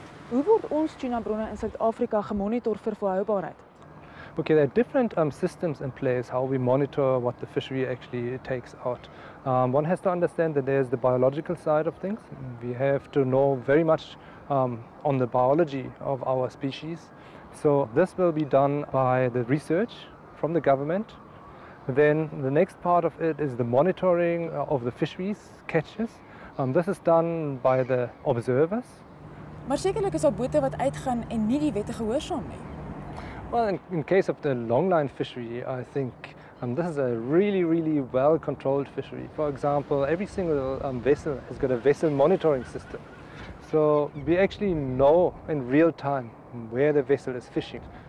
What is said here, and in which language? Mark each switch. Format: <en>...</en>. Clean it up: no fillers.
<af>Hoe word ons tuna bronne in Suid-Afrika gemonitor vir volhoubaarheid?</af> <en>Okay, there are different systems in place how we monitor what the fishery actually takes out. One has to understand that there's the biological side of things. We have to know very much on the biology of our species. So this will be done by the research from the government. Then the next part of it is the monitoring of the fisheries catches. This is done by the observers.</en> <af>Maar sekerlik is daar bote wat uitgaan en nie die wette gehoorsaam nie.</af> <en>Well, in case of the longline fishery, I think this is a really, really well-controlled fishery. For example, every single vessel has got a vessel monitoring system. So we actually know in real time where the vessel is fishing.</en>